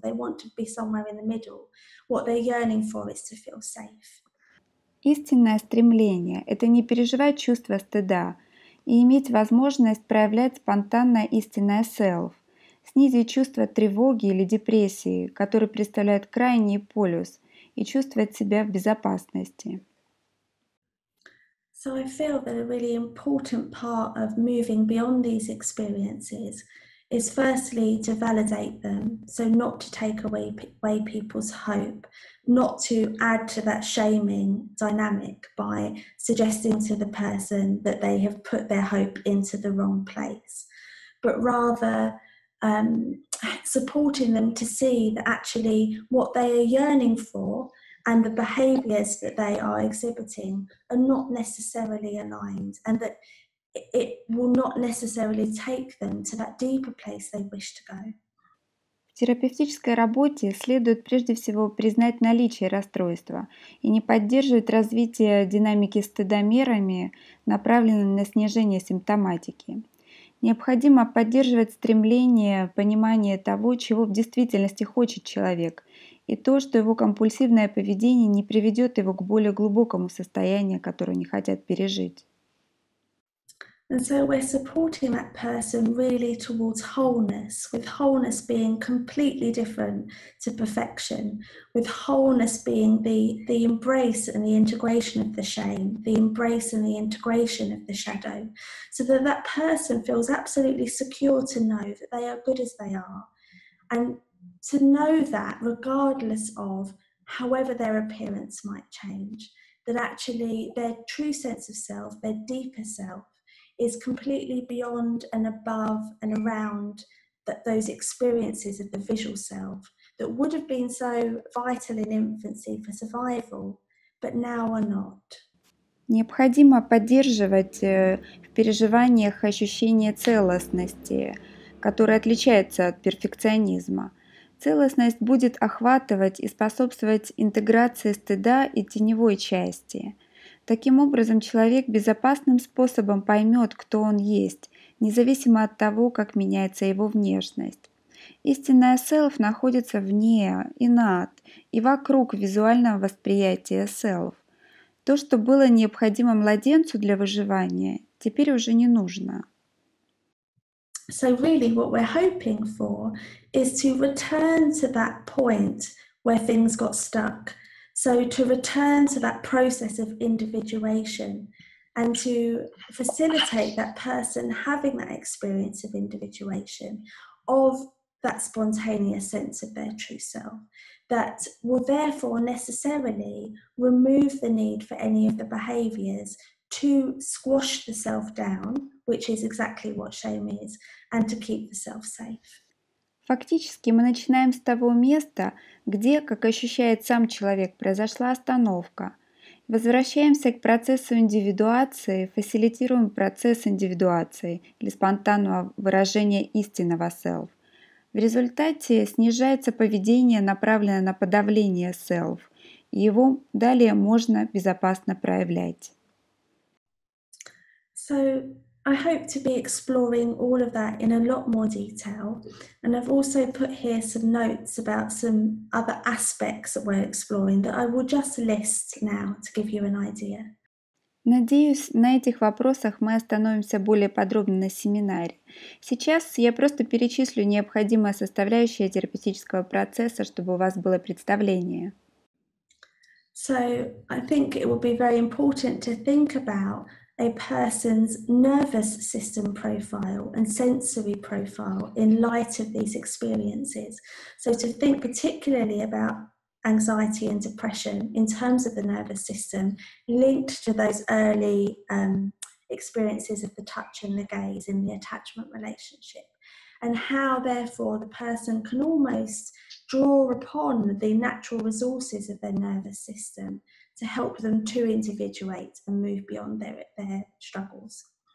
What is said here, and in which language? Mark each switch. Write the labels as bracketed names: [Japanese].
[English] They want to be somewhere in the middle. What they're yearning for is to feel safe. [Russian] Истинное стремление – это не переживать чувство стыда и иметь возможность проявлять спонтанное истинное self, снизить чувство тревоги или депрессии, которые представляют крайний полюс, и чувствовать себя в безопасности. [English] So I feel that a really important part of moving beyond these experiences is firstly to validate them, so not to take away people's hope, not to add to that shaming dynamic by suggesting to the person that they have put their hope into the wrong place, but rather supporting them to see that actually what they are yearning for and the behaviors that they are exhibiting are not necessarily aligned, and that it will not necessarily take them to that deeper place they wish to go. [Russian] В терапевтической работе следует прежде всего признать наличие расстройства и не поддерживать развитие динамики стыдомерами, направленными на снижение симптоматики. Необходимо поддерживать стремление, понимание того, чего в действительности хочет человек, и то, что его компульсивное поведение не приведет его к более глубокому состоянию, которое не хотят пережить. [English] And so we're supporting that person really towards wholeness, with wholeness being completely different to perfection, with wholeness being the embrace and the integration of the shame, the embrace and the integration of the shadow, so that that person feels absolutely secure to know that they are good as they are. And to know that, regardless of however their appearance might change, that actually their true sense of self, their deeper self, is completely beyond and above and around that those experiences of the visual self that would have been so vital in infancy for survival, but now are not. [Russian] Необходимо поддерживать в переживаниях ощущение целостности, которое отличается от перфекционизма. Целостность будет охватывать и способствовать интеграции стыда и теневой части. Таким образом, человек безопасным способом поймет, кто он есть, независимо от того, как меняется его внешность. Истинное self находится вне и над, и вокруг визуального восприятия self. То, что было необходимо младенцу для выживания, теперь уже не нужно. [English] So really what we're hoping for is to return to that point where things got stuck. So to return to that process of individuation and to facilitate that person having that experience of individuation, of that spontaneous sense of their true self, that will therefore necessarily remove the need for any of the behaviors to squash the self down, which is exactly what shame is, and to keep the self safe. [Russian] Фактически мы начинаем с того места, где, как ощущает сам человек, произошла остановка. Возвращаемся к процессу индивидуации, фасилитируем процесс индивидуации или спонтанного выражения истинного self. В результате снижается поведение, направленное на подавление self, и его далее можно безопасно проявлять. [English] So I hope to be exploring all of that in a lot more detail, and I've also put here some notes about some other aspects that we're exploring that I will just list now to give you an idea. [Russian] Надеюсь, на этих вопросах мы остановимся более подробно на семинаре. Сейчас я просто перечислю необходимые составляющие терапевтического процесса, чтобы у вас было представление. [English] So I think it will be very important to think about a person's nervous system profile and sensory profile in light of these experiences. So to think particularly about anxiety and depression in terms of the nervous system linked to those early experiences of the touch and the gaze in the attachment relationship, and how therefore the person can almost draw upon the natural resources of their nervous system to help them to individuate and move beyond their struggles.